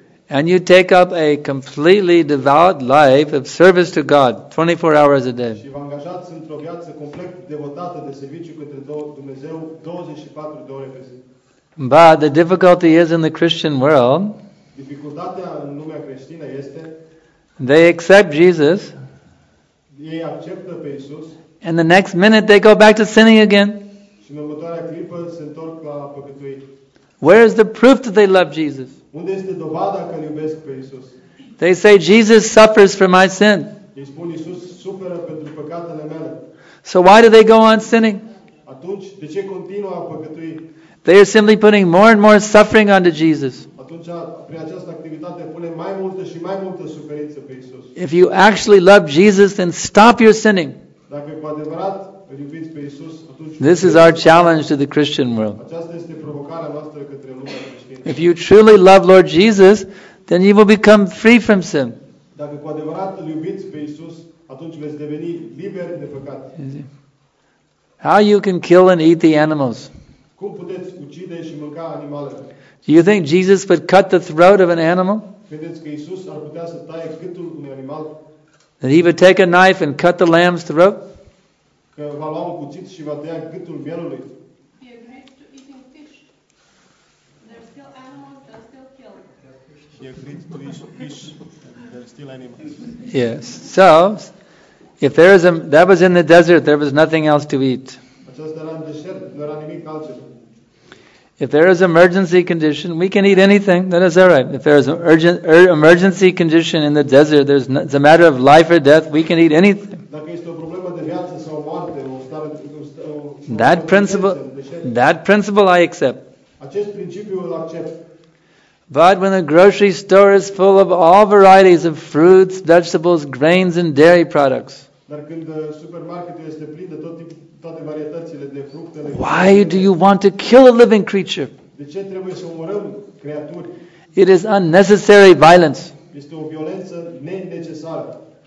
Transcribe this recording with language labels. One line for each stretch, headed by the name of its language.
English: And you take up a completely devout life of service to God 24 hours a day. But the difficulty is in the Christian world.
Romanian: Dificultatea în lumea creștină este,
English: they accept Jesus.
Romanian: Ei acceptă pe Iisus,
English: and the next minute they go back to sinning again.
Romanian: Și în următoarea clipă se întorc la păcătuit.
English: Where is the proof that they love Jesus?
Romanian: Unde este dovada că îl iubesc pe Iisus?
English: They say Jesus suffers for my sin.
Romanian: Ei spun, Iisus suferă pentru păcatele mele.
English: So why do they go on sinning?
Romanian: Atunci, de ce continuă a păcătui?
English: They are simply putting more and more suffering onto Jesus.
Romanian: Atunci, prin această activitate, pune mai multă și mai multă suferință pe Iisus.
English: If you actually love Jesus, then stop your sinning.
Romanian: Dacă cu adevărat îl iubiți pe Iisus, atunci
English: this is our challenge to the Christian world.
Romanian: Aceasta este provocarea noastră către lumea creștină.
English: If you truly love Lord Jesus, then you will become free from sin.
Romanian: Dacă cu adevărat îl iubiți pe Iisus, atunci veți deveni liber de păcat.
English: How you can kill and eat the animals?
Romanian: Cum puteți ucide și mânca animalele?
English: Do you think Jesus would cut the throat of an animal?
Romanian: Credeți că Iisus ar putea să taie gâtul unui animal?
English: That he would take a knife and cut the lamb's throat?
Romanian: Că va lua un cuțit și va tăia gâtul mielului?
English: He agreed to eating fish. There are still animals that still kill. He agreed to eat fish and there are still animals. Yes. So, if there is a... That was in the desert, there was nothing else to eat.
Romanian: Aceasta era în deșert, nu era nimic.
English: If there is emergency condition, we can eat anything. That is all right. If there is an emergency condition in the desert, it's a matter of life or death, we can eat anything. That principle I accept. But when the grocery store is full of all varieties of fruits, vegetables, grains, and dairy products, why do you want to kill a living creature?
Romanian: De ce trebuie să omorâm creaturi?
English: It is unnecessary violence.
Romanian: Este o violență neînecesară.